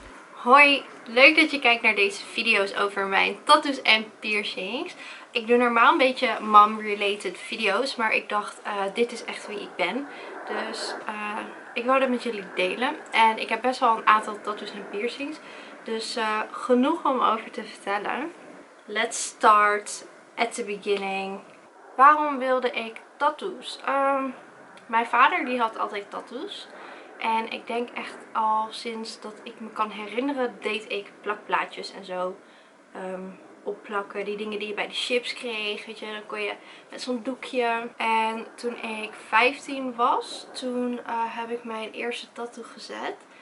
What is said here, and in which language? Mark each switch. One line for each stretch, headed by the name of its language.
Dutch: Hoi, leuk dat je kijkt naar deze video's over mijn tattoos en piercings. Ik doe normaal een beetje mom-related video's, maar ik dacht, dit is echt wie ik ben. Dus ik wou dat met jullie delen. En ik heb best wel een aantal tattoos en piercings, dus genoeg om over te vertellen.
English: Let's start at the beginning.
Dutch: Waarom wilde ik tattoos? Mijn vader die had altijd tattoos. En ik denk echt al sinds dat ik me kan herinneren, deed ik plakplaatjes en zo opplakken. Die dingen die je bij de chips kreeg, weet je, dan kon je met zo'n doekje. En toen ik 15 was, toen heb ik mijn eerste tattoo gezet.